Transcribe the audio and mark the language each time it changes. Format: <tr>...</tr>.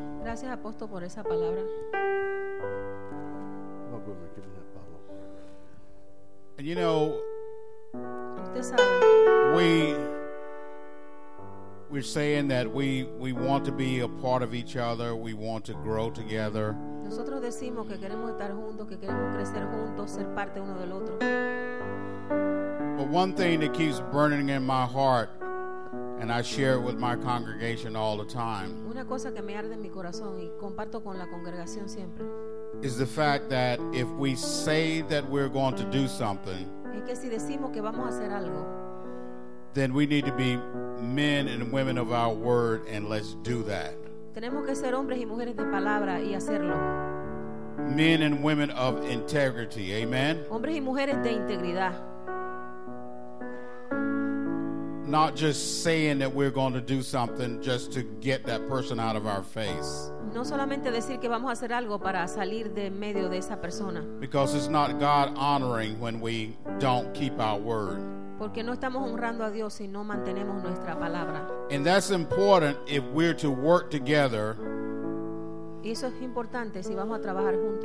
<es>Gracias, apóstol, por esa palabra.</es> <en>Oh, good, we're giving that bottle. And you know,</en> <es>usted sabe,</es> <en>we're saying that we want to be a part of each other. We want to grow together.</en> <es>Nosotros decimos que queremos estar juntos, que queremos crecer juntos, ser parte uno del otro.</es> <en>But one thing that keeps burning in my heart, and I share it with my congregation all the time,</en> <es>una cosa que me arde en mi corazón y comparto con la congregación siempre,</es> <en>is the fact that if we say that we're going to do something,</en> <es>es que si decimos que vamos a hacer algo,</es> <en>then we need to be men and women of our word, and let's do that.</en> <es>Tenemos que ser hombres y mujeres de palabra y hacerlo.</es> <en>Men and women of integrity, amen.</en> <es>Hombres y mujeres de integridad.</es> <en>Not just saying that we're going to do something just to get that person out of our face.</en> <es>No solamente decir que vamos a hacer algo para salir de medio de esa persona.</es> <en>Because it's not God honoring when we don't keep our word.</en> <es>Porque no estamos honrando a Dios si no mantenemos nuestra palabra.</es> <en>And that's important if we're to work together.</en> <es>Y eso es importante si vamos a trabajar juntos.</es>